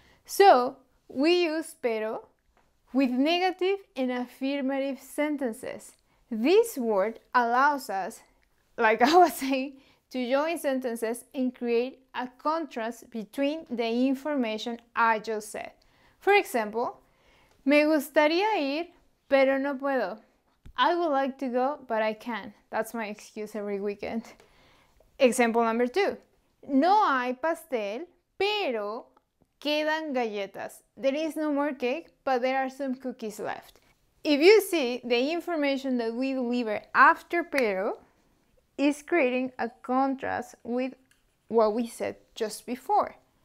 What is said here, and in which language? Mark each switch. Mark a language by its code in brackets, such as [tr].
[en] So we use pero with negative and affirmative sentences. This word allows us, like I was saying, to join sentences and create a contrast between the information I just said. For example, [es] me gustaría ir, pero no puedo. [en] I would like to go, but I can't. That's my excuse every weekend. Example number two. [es] No hay pastel, pero quedan galletas. [en] There is no more cake, but there are some cookies left. If you see the information that we deliver after pero, is creating a contrast with what we said just before.